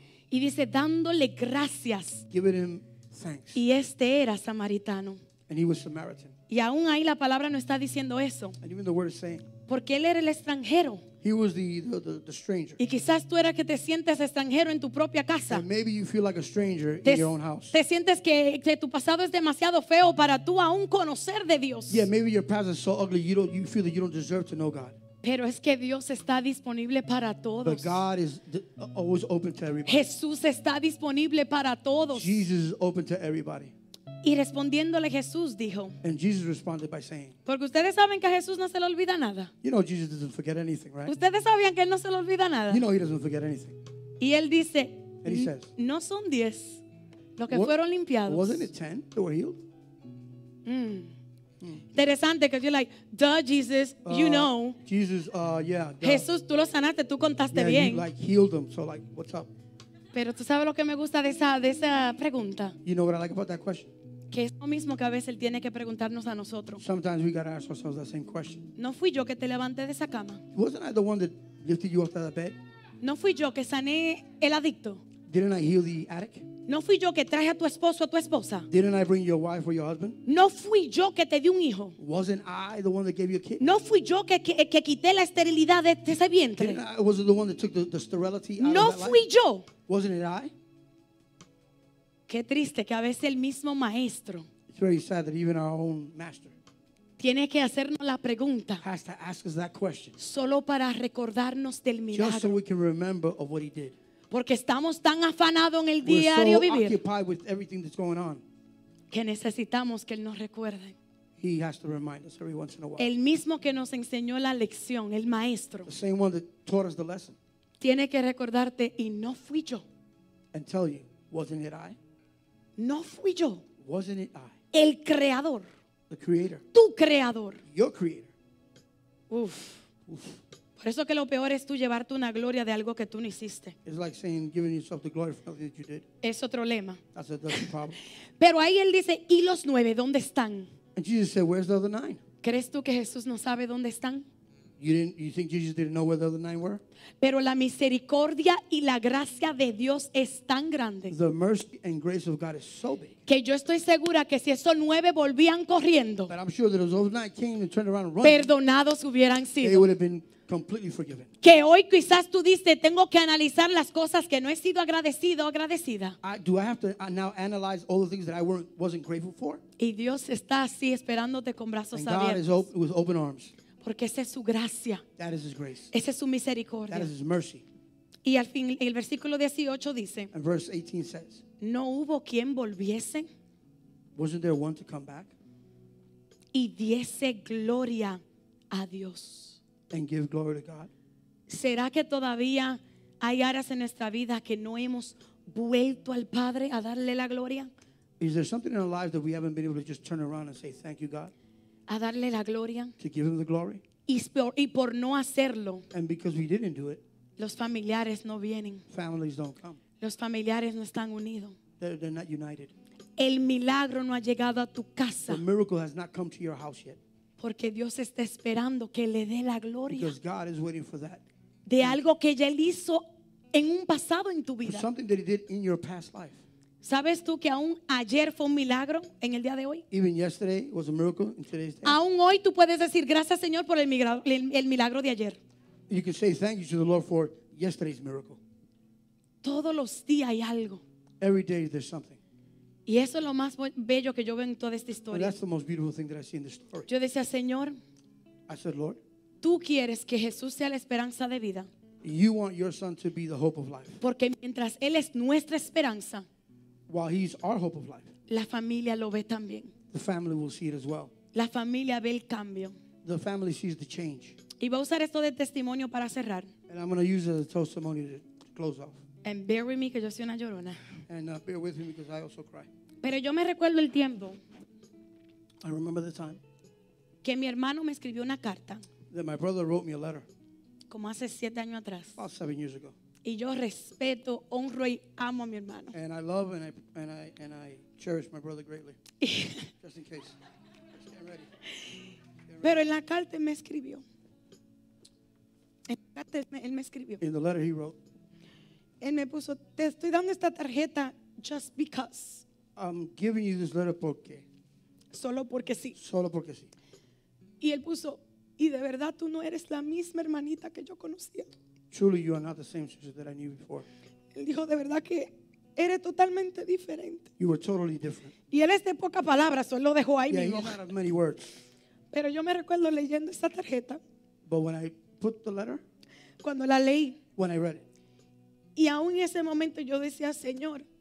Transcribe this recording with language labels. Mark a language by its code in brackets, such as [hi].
[es] Y dice, dándole gracias. [en] Giving him thanks. [es] Y este era samaritano. [en] And he was Samaritan. [es] Y aún ahí la palabra no está diciendo eso. [en] And even the word is saying. [es] Porque él era el extranjero. [en] He was the stranger. [es] Y quizás tú eras que te sientes extranjero en tu propia casa. [en] And maybe you feel like a stranger in your own house. [es] Te sientes que tu pasado es demasiado feo para tú aún conocer de Dios. [en] Yeah, maybe your past is so ugly you feel that you don't deserve to know God. [es] Pero es que Dios está disponible para todos. [en] But God is always open to everybody. [es] Jesús está disponible para todos. [en] Jesus is open to everybody. [es] Y respondiéndole Jesús dijo. [en] And Jesus responded by saying. [es] Porque ustedes saben que a Jesús no se le olvida nada. [en] You know Jesus doesn't forget anything, right? [es] Ustedes sabían que él no se le olvida nada. [en] You know he doesn't forget anything. [es] Y él dice. [en] And he says. [es] No son 10 los que fueron limpiados. [en] Wasn't it 10 that were healed? [es] Interesante que [en] you're like, duh, Jesus, you know. Jesus, yeah. Duh. [es] Jesús, tú lo sanaste, tú contaste yeah, bien. [en] You, like, healed them, so like, what's up? [es] Pero tú sabes lo que me gusta de esa pregunta. [en] You know what I like about that question? [es] Que es lo mismo que a veces él tiene que preguntarnos a nosotros. [en] Sometimes we gotta ask ourselves that same question. [es] No fui yo que te levanté de esa cama. [en] Wasn't I the one that lifted you off that bed? [es] No fui yo que sané el adicto. [en] Didn't I heal the addict? [es] No fui yo que traje a tu esposo o a tu esposa. [en] Didn't I bring your wife or your husband? [es] No fui yo que te di un hijo. [en] Wasn't I the one that gave you a kid? [es] No fui yo que quité la esterilidad de ese vientre. [en] Was it the one that took the sterility out [es] no [en] of that [es] fui [en] life? [es] Yo. [en] Wasn't it I? [es] Qué triste que a veces el mismo maestro. [en] It's very sad that even our own master. [es] Tiene que hacernos la pregunta. [en] Has to ask us that question. [es] Solo para recordarnos del milagro. [en] Just so we can remember of what he did. [es] Porque estamos tan afanados en el diario vivir. [en] We're so occupied with everything that's going on. [es] Que necesitamos que él nos recuerde. [en] He has to remind us every once in a while. [es] El mismo que nos enseñó la lección, el maestro. [en] The same one that taught us the lesson. [es] Tiene que recordarte y no fui yo. [en] And tell you, wasn't it I? [es] No fui yo. [en] Wasn't it I? [es] El creador. [en] The creator. [es] Tu creador. [en] Your creator. Uf. Uf. [es] Por eso que lo peor es tú llevarte una gloria de algo que tú no hiciste. [en] It's like saying giving yourself the glory for something that you did. [es] Es otro lema. [en] That's a problem. [es] Pero ahí él dice, ¿y los nueve dónde están? [en] And Jesus said, where's the other nine? [es] ¿Crees tú que Jesús no sabe dónde están? [en] You think Jesus didn't know where the other nine were? [es] Pero la misericordia y la gracia de Dios es tan grande. [en] The mercy and grace of God is so big. [es] Que yo estoy segura que si esos nueve volvían corriendo, [en] but I'm sure that if those nine came and turned around and run, [es] perdonados hubieran sido. [en] They would have been completely forgiven. [es] Que hoy quizás tú dices, tengo que analizar las cosas que no he sido agradecido o agradecida. [en] Do I have to now analyze all the things that I wasn't grateful for? [es] Y Dios está así esperándote con brazos abiertos. [en] And God is with open arms. [es] Porque esa es su gracia. [en] That is his grace. [es] Esa es su misericordia. [en] That is his mercy. [es] Y al fin, el versículo 18 dice, [en] and verse 18 says, [es] no hubo quien volviese. [en] Wasn't there one to come back? [es] Y diese gloria a Dios. [en] And give glory to God. [es] ¿Será que todavía hay áreas en nuestra vida que no hemos vuelto al Padre a darle la gloria? [en] Is there something in our lives that we haven't been able to just turn around and say thank you, God? [es] A darle la gloria. [en] To give him the glory. [es] Y por no hacerlo. [en] And because we didn't do it. [es] Los familiares no vienen. [en] Families don't come. [es] Los familiares no están unidos. [en] They're not united. [es] El milagro no ha llegado a tu casa. [en] The miracle has not come to your house yet. [es] Porque Dios está esperando que le dé la gloria. [en] Because God is waiting for that. [es] De algo que ya él hizo en un pasado en tu vida. [en] For something that he did in your past life. [es] ¿Sabes tú que aún ayer fue un milagro en el día de hoy? [en] Even yesterday was a miracle in today's day. [es] Aún hoy tú puedes decir gracias Señor por el milagro de ayer. [en] You can say thank you to the Lord for yesterday's miracle. [es] Todos los días hay algo. [en] Every day there's something. [es] Y eso es lo más bello que yo veo en toda esta historia. [en] And that's the most beautiful thing that I see in this story. [es] Yo decía Señor, [en] I said Lord, [es] tú quieres que Jesús sea la esperanza de vida. [en] You want your son to be the hope of life. [es] Porque mientras él es nuestra esperanza, [en] while he's our hope of life, [es] la familia lo ve también. [en] The family will see it as well. [es] La familia ve el cambio. [en] The family sees the change. [es] Y voy a usar esto de testimonio para cerrar. [en] And I'm going to use it as a testimony to close off. And bear with me, [es] que yo soy una llorona. [en] And bear with me because I also cry. [es] Pero yo me recuerdo el tiempo. [en] I remember the time. [es] Que mi hermano me escribió una carta. [en] That my brother wrote me a letter. [es] Como hace 7 años atrás. [en] About 7 years ago. [es] Y yo respeto, honro y amo a mi hermano. [en] And I love and I cherish my brother greatly. Just in case. Just getting ready. [es] Pero en la carta me escribió. En la carta él me escribió. [en] In the letter he wrote. [es] Él me puso, te estoy dando esta tarjeta [en] just because. I'm giving you this letter [es] porque. Solo porque sí. Solo porque sí. Y él puso, y de verdad tú no eres la misma hermanita que yo conocía. [en] Truly, you are not the same sister that I knew before. [es] Él dijo de verdad que eres totalmente diferente. [en] You were totally different. [es] Y él es de pocas palabras, solo dejó ahí. [en] Yeah, he's not of many words. [es] Pero yo me recuerdo leyendo esa tarjeta. [en] But when I put the letter. [es] Cuando la leí. [en] When I read it. [es] Y aún en ese momento yo decía, Señor.